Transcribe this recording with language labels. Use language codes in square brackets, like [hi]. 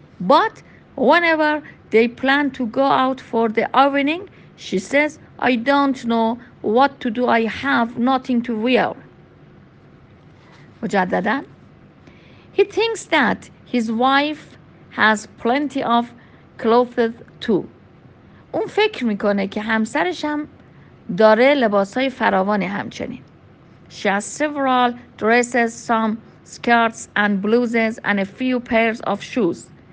[en] But whenever they plan to go out for the evening, she says, I don't know what to do. I have nothing to wear. [fa] مجدداً. [en] He thinks that his wife has plenty of clothes too. [fa] اون فکر میکنه که همسرش هم داره لباسای فراوانی همچنین. [en] She has several dresses, some skirts and blouses and a few pairs of shoes.